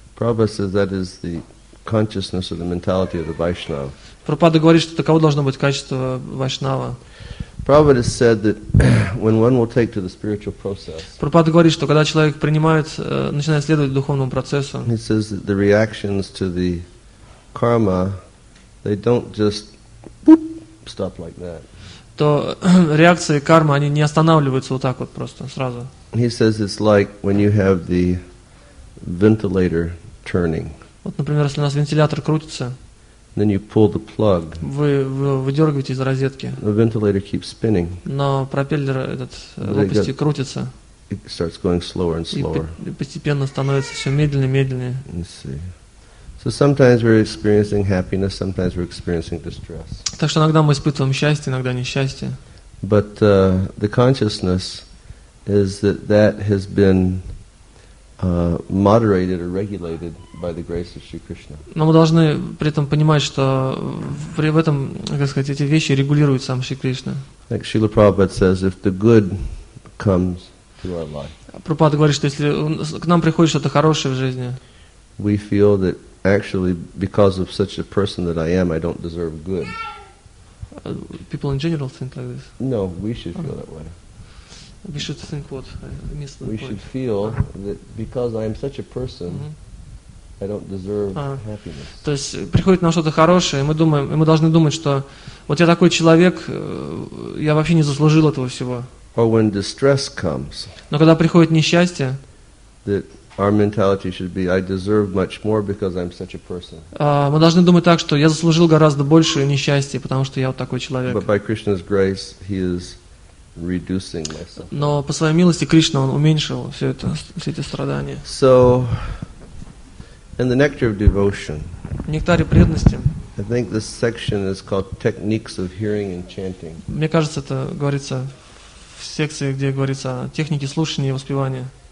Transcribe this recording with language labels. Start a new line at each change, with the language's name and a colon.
English: Prabhupada says that is the consciousness or the mentality of the Vaishnava.
Russian: Прабхупада говорит, что таково должно быть качество Вайшнава.
English: Prabhupada said that when one will take to the spiritual process.
Russian: Прабхупада говорит, что когда человек принимает, начинает следовать духовному процессу.
English: He says that the reactions to the karma, they don't just boop, stop like that.
Russian: То реакции кармы они не останавливаются вот так вот просто сразу.
English: He says it's like when you have the ventilator turning.
Russian: Вот, например, если у нас вентилятор крутится.
English: Then you pull the plug.
Russian: Вы выдергиваете из розетки.
English: The ventilator keeps spinning.
Russian: Но пропеллер этот лопасти крутится.
English: It starts going slower and slower.
Russian: И постепенно становится все медленнее и медленнее.
English: You see. So sometimes we're experiencing happiness, sometimes we're experiencing distress.
Russian: Так что иногда мы испытываем счастье, иногда несчастье.
English: But the consciousness is that has been moderated or regulated by the grace of Shri Krishna.
Russian: Но мы должны при этом понимать, что в этом, как сказать, эти вещи регулирует сам Шри Кришна.
English: Like Srila Prabhupada says, if the good comes to our life.
Russian: Прабхупада говорит, что если к нам приходит что-то хорошее в жизни,
English: we feel that actually because of such a person that I am, I don't deserve good. People in general think like this. No, we should feel that way. We should think what? I missed the point. We should feel that because I am such a person, I don't deserve happiness.
Russian: То есть приходит нам что-то хорошее, мы думаем, мы должны думать, что вот я такой человек, я вообще не заслужил этого всего.
English: Or when distress comes.
Russian: Но когда приходит несчастье.
English: That our mentality should be, I deserve much more because I'm such a person.
Russian: Мы должны думать так, что я заслужил гораздо больше несчастья, потому что я вот такой человек.
English: But by Krishna's grace, he is reducing my suffering.
Russian: Но по своей милости Кришна он уменьшил все это, все эти страдания.
English: So, in the nectar of devotion.
Russian: В нектаре преданности.
English: I think this section is called techniques of hearing and chanting.
Russian: Мне кажется, это говорится в секции, где говорится о технике слушания и воспевания.